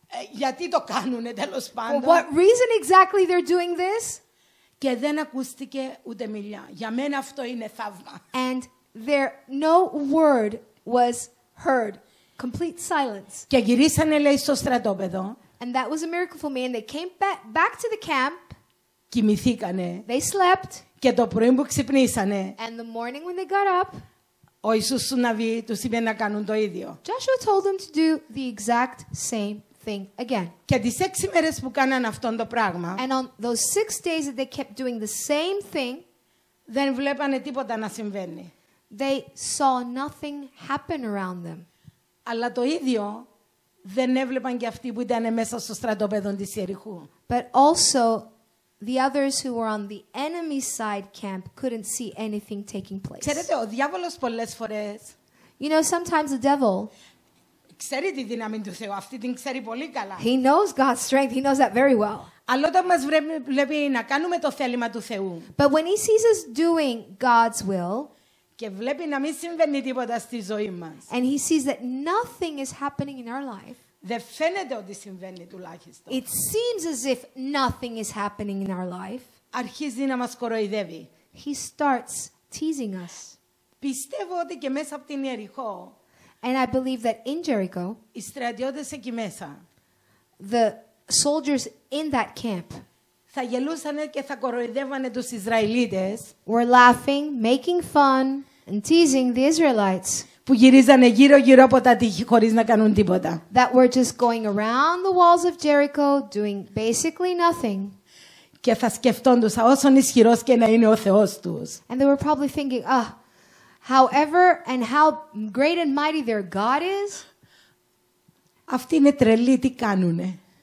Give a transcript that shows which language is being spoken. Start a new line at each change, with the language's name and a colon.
Greek: Γιατί το κάνουνε τέλος πάντων.
English: What reason exactly they're doing this?
Greek: Και δεν ακούστηκε ούτε μιλιά. Για μένα αυτό είναι θαύμα.
English: And there no word was heard. Complete silence.
Greek: Και γυρίσανε, λέει, στο στρατόπεδο.
English: And that was a miracle for me. And they came back to the camp.
Greek: Κοιμηθήκανε.
English: They slept.
Greek: Και το πρωί που ξυπνήσανε.
English: And the morning when they got up.
Greek: Ο Ιησούς του Ναβί τους είπε να κάνουν το ίδιο.
English: Joshua told them to do the exact same thing again.
Greek: Και τις 6 μέρες που κάναν αυτό το πράγμα.
English: And on those 6 days that they kept doing the same thing.
Greek: Δεν βλέπανε τίποτα να συμβαίνει.
English: They saw nothing happen around them.
Greek: Αλλά το ίδιο δεν έβλεπαν και αυτοί που ήταν μέσα στο στρατόπεδο της Ιεριχού.
English: But also the others who were on the enemy side camp couldn't see anything taking place.
Greek: Ξέρετε, ο διάβολος πολλές φορές.
English: You know, sometimes the devil.
Greek: Ξέρει τη δύναμη του Θεού. Αυτή την ξέρει πολύ καλά.
English: He knows God's strength. He knows that very well.
Greek: Αλλά όταν μας βλέπει να κάνουμε το θέλημα του Θεού.
English: But when he sees us doing God's will.
Greek: Και βλέπει να μην συμβαίνει τίποτα στη ζωή μας.
English: And he sees that nothing is happening in our life.
Greek: Δεν φαίνεται ότι συμβαίνει τουλάχιστον.
English: It seems as if nothing is happening in our life.
Greek: Αρχίζει να μας κοροϊδεύει.
English: He starts teasing us.
Greek: Πιστεύω ότι και μέσα από την Ιεριχώ.
English: And I believe that in Jericho.
Greek: Οι στρατιώτες εκεί μέσα.
English: The soldiers in that camp.
Greek: Θα γελούσανε και θα κοροϊδεύανε τους Ισραηλίτες.
English: Were laughing, making fun, and teasing the Israelites.
Greek: Που γυρίζανε γύρω-γύρω από τα τείχη χωρίς να κάνουν τίποτα.
English: That were just going around the walls of Jericho, doing basically nothing.
Greek: Και θα σκεφτόντουσα όσον ισχυρός και να είναι ο Θεός τους.
English: And they were probably thinking, ah, however and how great and mighty their God is.
Greek: Αυτοί είναι τρελοί, τι κάνουνε.